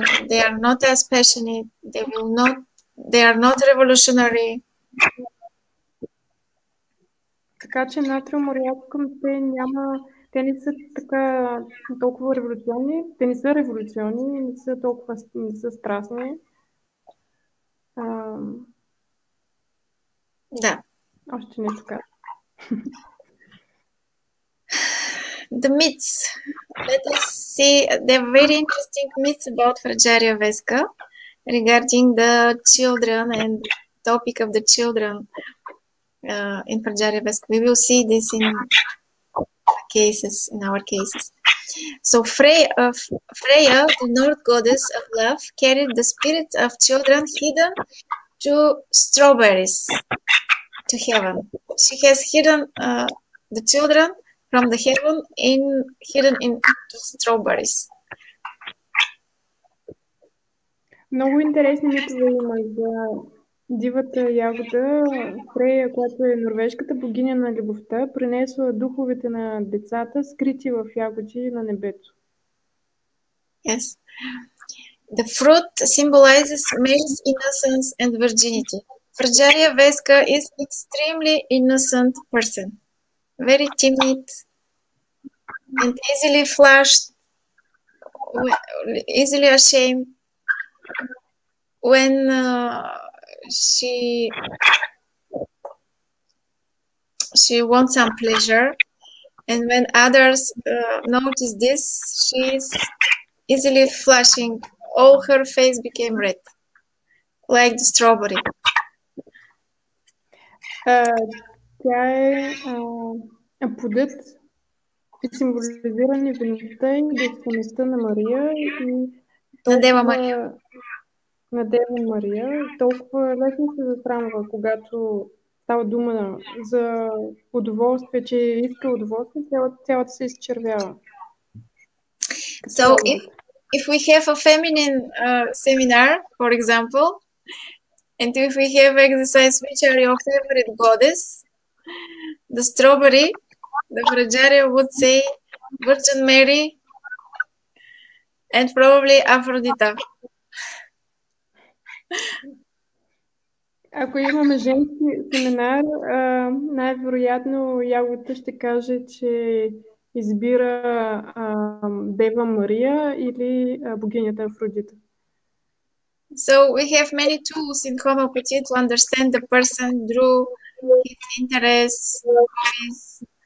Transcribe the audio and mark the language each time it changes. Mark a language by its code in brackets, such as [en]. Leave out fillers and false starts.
[en] They are not as passionate, they are not revolutionary. [bg] Така че натриуморядком те няма, те не са така толкова революционни, те не са революционни, не са толкова, не са страстни. Да. Още нещо казвам. [en] The myths. Let us see. There are very interesting myths about Fragaria vesca regarding the children and the topic of the children in Fragaria vesca. We will see this in cases, in our cases. So Freya, the North goddess of love, carried the spirit of children hidden to strawberries, to heaven. She has hidden the children from the heaven in hidden in strawberries. [bg] Много интересни митове има за дивата ягода. Фрея, която е норвежката богиня на любовта, пренесла духовете на децата, скрити в ягоди на небето. [en] Yes. The fruit symbolizes male innocence and virginity. Fragaria vesca is extremely innocent person. Very timid and easily flushed, easily ashamed when she wants some pleasure, and when others notice this, she is easily flushing. All her face became red, like the strawberry. [bg] Тя е плодът и символизира невинността и девствеността на Мария и толкова... на Дева Мария. На Дева Мария. Толкова лесно се засрамва, когато става дума за удоволствие, че иска удоволствие, цялата се изчервява. [en] So, if we have a feminine seminar, for example, and if we have exercise which are your favorite goddess, the strawberry, the Fragaria would say Virgin Mary and probably Aphrodite. [bg] Ако имаме женски семинар, най-вероятно ягодата ще каже, че избира Дева Мария или богинята Афродита. [en] So we have many tools in homeopathy to understand the person, drew his interest, his